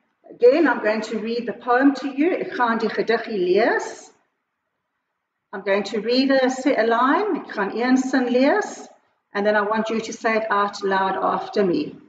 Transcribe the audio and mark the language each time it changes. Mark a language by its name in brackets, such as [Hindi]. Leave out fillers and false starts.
[English] Again, I'm going to read the poem to you. [Afrikaans] Ek gaan die gediggie lees. [English] I'm going to read a line. [Afrikaans] Ek gaan een sin lees. [English] And then I want you to say it out loud after me.